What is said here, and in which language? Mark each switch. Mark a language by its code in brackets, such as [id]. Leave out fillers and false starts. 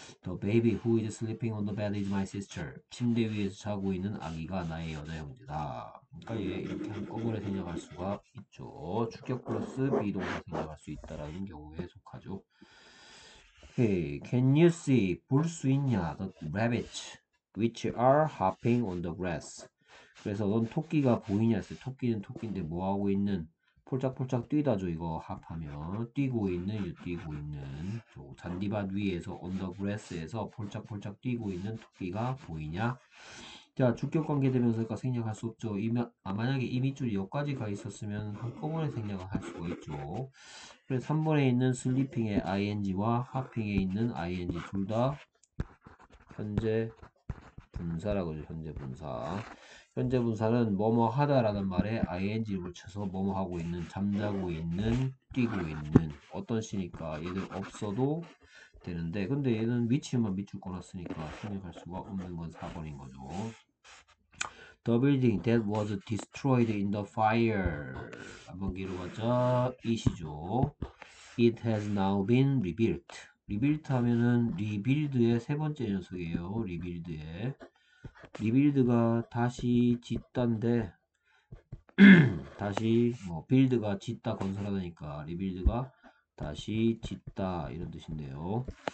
[en] the baby who is sleeping on the bed is my sister. [ko] 침대 위에서 자고 있는 아기가 나의 여자 형제다. 그러니까 얘 이렇게 한꺼번에 생략할 수가 있죠. 주격 플러스 비동사 생략할 수 있다라는 경우에 속하죠. [en] Okay. can you see [ko] 볼수 있냐 [en] the rabbit Which are hopping on the grass. [ko] 그래서 넌 토끼가 보이냐 했어요. 토끼는 토끼인데 뭐 하고 있는? 폴짝폴짝 뛰다죠. 이거 합하면 뛰고 있는, 뛰고 있는. 저 잔디밭 위에서 [en] on the grass [ko] 에서 폴짝폴짝 뛰고 있는 토끼가 보이냐? 자, 주격 관계대명사가 생략할 수 없죠. 만약에 이 밑줄이 여기까지 가 있었으면 한꺼번에 생략을 할 수가 있죠. 그래서 3번에 있는 슬리핑의 ing와 hopping에 있는 ing 둘다 현재 분사라고 하죠. 현재 분사. 현재 분사는 뭐뭐 하다라는 말에 ing를 붙여서 뭐뭐 하고 있는, 잠자고 있는, 뛰고 있는 어떤 시니까 얘들 없어도 되는데 근데 얘는 위치만 밑줄 꺼놨으니까 생략할 수가 없는 건 4번인 거죠. [en] The building that was destroyed in the fire. [ko] 한번 길어봤자 it이죠. [en] It has now been rebuilt. Rebuilt [ko] 하면은 리빌드의 세 번째 녀석이에요. 리빌드의 리빌드가 다시 짓단데 다시 뭐 빌드가 짓다 건설하다니까 리빌드가 다시 짓다 이런 뜻인데요.